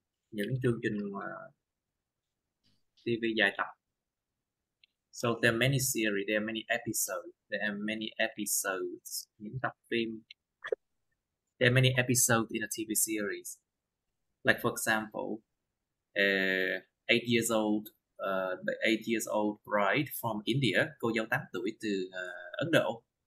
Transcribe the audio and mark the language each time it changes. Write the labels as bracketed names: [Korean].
[Vietnamese] Những chương trình TV dài tập. [English] So there are many series, there are many episodes, there are many episodes in a TV series. Like for example, 8 years old, the 8 years old bride from India, [Vietnamese] cô dâu 8 tuổi từ Ấn Độ.